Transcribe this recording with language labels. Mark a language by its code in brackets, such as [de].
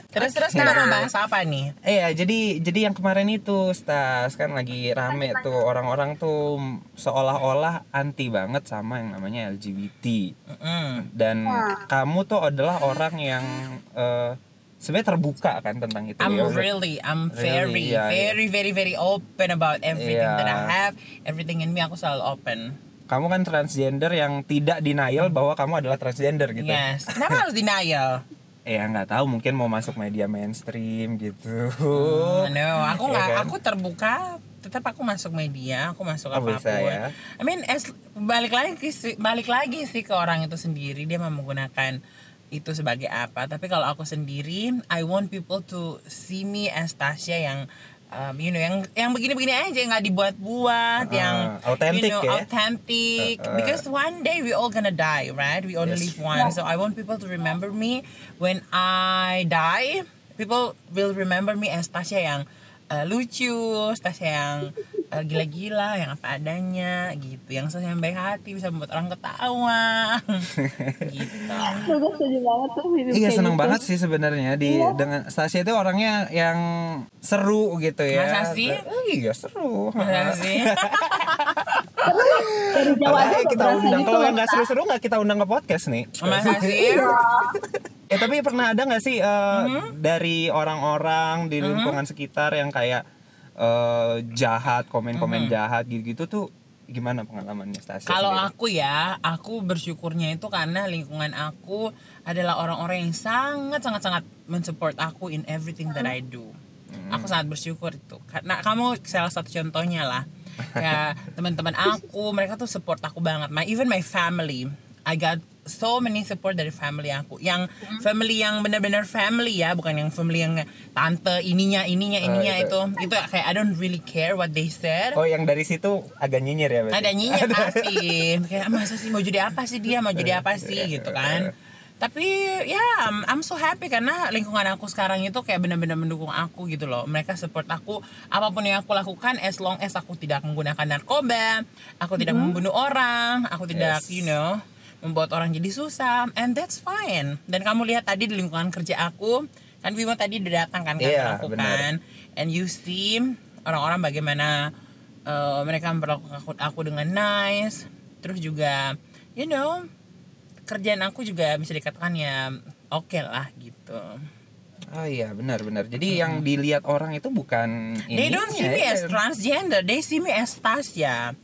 [id] Terus-terus kita mau bahas apa nih? Iya, jadi yang kemarin itu, Stas, kan lagi rame tuh. Orang-orang tuh seolah-olah anti banget sama yang namanya LGBT. Dan kamu tuh adalah orang yang... sebenarnya terbuka kan tentang itu. [en] I'm very, very open about everything that I have, everything in me. [id] Aku selalu open. Kamu kan transgender yang tidak denial bahwa kamu adalah transgender gitu. Yes. Kenapa harus denial? Ya nggak tahu, mungkin mau masuk media mainstream gitu. No, aku nggak. Yeah, kan? Aku terbuka. Tetap aku masuk media, aku masuk apapun. Bisa, ya? I mean, balik lagi sih ke orang itu sendiri, dia mau menggunakan itu sebagai apa. Tapi kalau aku sendiri, [en] I want people to see me as [id] Tasya yang you know, yang begini-begini aja, nggak dibuat-buat, yang [en] authentic, you know, [id] ya? [en] Authentic. Because one day we all gonna die, right? We only live once. So I want people to remember me when I die. People will remember me as [id] Tasya yang lucu, Tasya yang gila-gila, yang apa adanya gitu, yang sesuai baik hati, bisa membuat orang ketawa gitu. Seru banget tuh. Iya, seneng gitu banget sih sebenarnya di dengan Stasia itu orangnya yang seru gitu ya. Masa sih? Iya, seru. Masa sih? Dari Jawa aja kita undang. Kalau yang gak seru-seru gak kita undang ke podcast nih. Masa sih? Eh, tapi pernah ada gak sih dari orang-orang di lingkungan sekitar yang kayak jahat, komen-komen jahat gitu-gitu tuh gimana pengalamannya Stasia? Kalau aku ya, aku bersyukurnya itu karena lingkungan aku adalah orang-orang yang sangat-sangat-sangat mensupport aku [en] in everything that I do. [id] Aku sangat bersyukur itu. Karena kamu salah satu contohnya lah. Ya, teman-teman aku, mereka tuh support aku banget. [en] Even my family, I got so many support [id] dari family aku. Yang family yang benar-benar family ya, bukan yang family yang tante ininya itu ya, kayak [en] I don't really care what they said. [id] Oh, yang dari situ agak nyinyir ya berarti. Ada nyinyir pasti. Kayak masa sih mau jadi apa sih dia, mau jadi apa sih gitu kan. Tapi ya yeah, [en] I'm so happy [id] karena lingkungan aku sekarang itu kayak benar-benar mendukung aku gitu loh. Mereka support aku apapun yang aku lakukan, [en] as long as [id] aku tidak menggunakan narkoba, aku tidak membunuh orang, aku tidak you know, membuat orang jadi susah, [en] and that's fine. [id] Dan kamu lihat tadi di lingkungan kerja aku, kan Bimo tadi udah datang kan ke aku kan, [en] and you see [id] orang-orang bagaimana mereka memperlakukan aku dengan nice. Terus juga you know, kerjaan aku juga bisa dikatakan ya oke lah gitu. Oh iya, benar-benar. Jadi yang dilihat orang itu bukan ini. [en] They don't see me as transgender, they see me as Tasya.